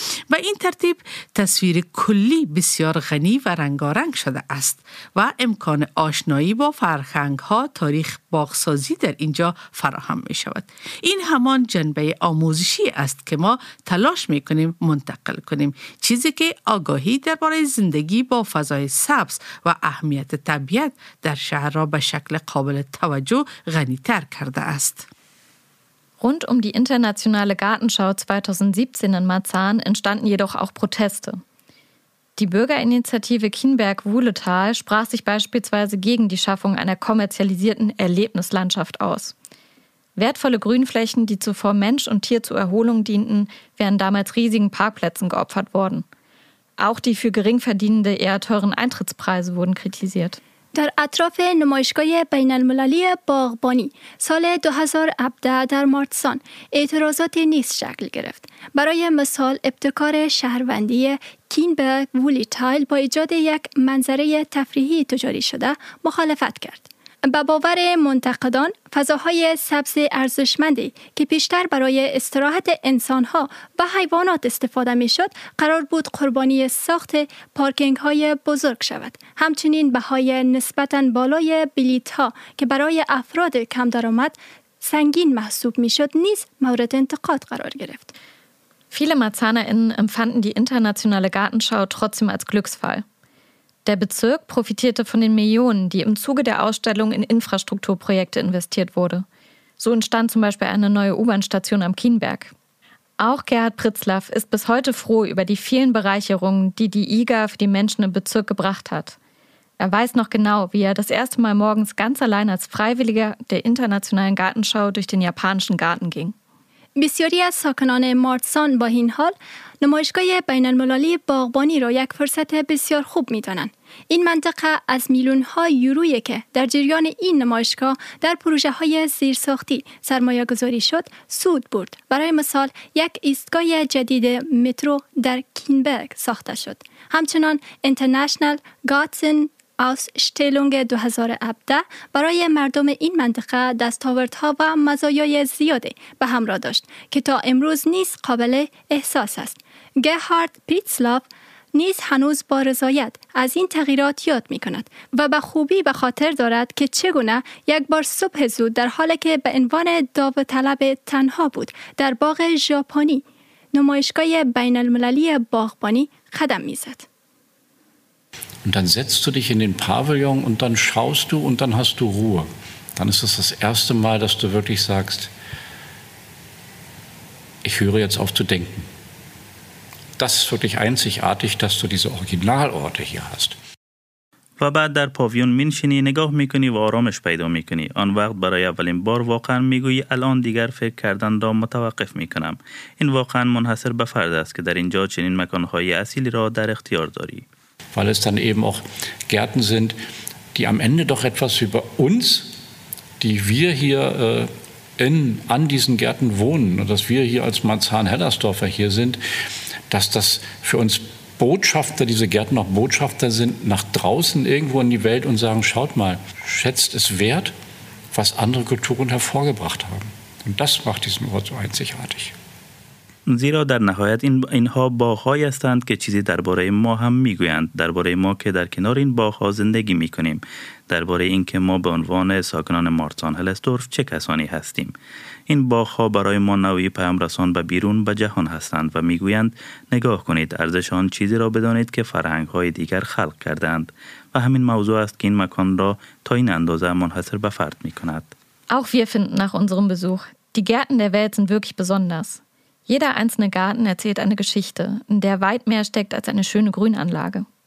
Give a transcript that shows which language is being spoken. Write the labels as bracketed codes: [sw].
[fa] و این ترتیب تصویر کلی بسیار غنی و رنگارنگ شده است و امکان آشنایی با فرهنگ‌ها، تاریخ باغ‌سازی در اینجا فراهم می شود. این همان جنبه آموزشی است که ما تلاش می کنیم منتقل کنیم، چیزی که آگاهی درباره زندگی با فضای سبز و اهمیت طبیعت در شهر را به شکل قابل توجه غنی تر کرده است. [de] Rund um die internationale Gartenschau 2017 in Marzahn entstanden jedoch auch Proteste. Die Bürgerinitiative Kienberg-Wuhletal sprach sich beispielsweise gegen die Schaffung einer kommerzialisierten Erlebnislandschaft aus. Wertvolle Grünflächen, die zuvor Mensch und Tier zur Erholung dienten, wären damals riesigen Parkplätzen geopfert worden. Auch die für Geringverdienende eher teuren Eintrittspreise wurden kritisiert. [fa] در اطراف نمایشگاه بین المللی باغبانی سال 2017 در مارتسان اعتراضات نیز شکل گرفت. برای مثال ابتکار شهروندی کینبرگ وولیتایل با ایجاد یک منظره تفریحی تجاری شده مخالفت کرد. به باور منتقدان، فضاهای سبز ارزشمندی که پیشتر برای استراحت انسانها و حیوانات استفاده می شد، قرار بود قربانی ساخت پارکینگ های بزرگ شود. همچنین بهای نسبتاً بالای بلیط ها که برای افراد کم درآمد سنگین محسوب می شد، نیز مورد انتقاد قرار گرفت. [de] Viele MarzahnerInnen empfanden die internationale Gartenschau trotzdem als Glücksfall. Der Bezirk profitierte von den Millionen, die im Zuge der Ausstellung in Infrastrukturprojekte investiert wurde. So entstand zum Beispiel eine neue U-Bahn-Station am Kienberg. Auch Gerhard Pritzlaff ist bis heute froh über die vielen Bereicherungen, die die IGA für die Menschen im Bezirk gebracht hat. Er weiß noch genau, wie er das erste Mal morgens ganz allein als Freiwilliger der internationalen Gartenschau durch den japanischen Garten ging. [fa] بسیاری از ساکنان مارتسان با این حال نمایشگاه بین المللی باغبانی را یک فرصت بسیار خوب می دانند. این منطقه از میلیون ها یورویی که در جریان این نمایشگاه در پروژه های زیرساختی سرمایه گذاری شد سود برد. برای مثال یک ایستگاه جدید مترو در کینبرگ ساخته شد. همچنان انترنشنل گاتسن Ausstellung 2017 برای مردم این منطقه دستاوردها و مزایای زیادی به همراه داشت که تا امروز نیز قابل احساس است. گرهارد پیتسلاف نیز هنوز با رضایت از این تغییرات یاد می کند و به خوبی به خاطر دارد که چگونه یک بار صبح زود در حالی که به عنوان داوطلب تنها بود در باغ ژاپنی نمایشگاه بین المللی باغبانی قدم می زد. [de] Und dann setzt du dich in den Pavillon und dann schaust du und dann hast du Ruhe. Dann ist es das erste Mal, dass du wirklich sagst, ich höre jetzt auf zu denken. Das ist wirklich einzigartig, dass du diese Originalorte hier hast. [fa] و بعد در پاویون مینشینی، نگاه میکنی و آرامش پیدا میکنی. آن وقت برای اولین بار واقعا میگویی الان دیگر فکر کردن را متوقف میکنم. این واقعا منحصر به فرد است که در اینجا چنین مکانهای اصیلی را در اختیار داری. [de] Weil es dann eben auch Gärten sind, die am Ende doch etwas über uns, die wir hier an diesen Gärten wohnen und dass wir hier als Marzahn-Hellersdorfer hier sind, dass das für uns Botschafter, diese Gärten auch Botschafter sind, nach draußen irgendwo in die Welt und sagen, schaut mal, schätzt es wert, was andere Kulturen hervorgebracht haben. Und das macht diesen Ort so einzigartig. [fa] زیرا در نهایت اینها باغ‌هایی هستند که چیزی درباره ما هم میگویند، درباره ما که در کنار این باغ‌ها زندگی میکنیم، درباره این که ما به عنوان ساکنان مارتسان هلستورف چه کسانی هستیم. این باغ‌ها برای ما نوعی پیام رسان به بیرون به جهان هستند و میگویند نگاه کنید، ارزش آن چیزی را بدانید که فرهنگ‌های دیگر خلق کردند و همین موضوع است که این مکان را تا این اندازه منحصر به فرد میکند. [de] Auch wir finden nach unserem Besuch, die Gärten der Welt sind wirklich besonders. Jeder einzelne Garten erzählt eine Geschichte, in der weit mehr steckt als eine schöne Grünanlage.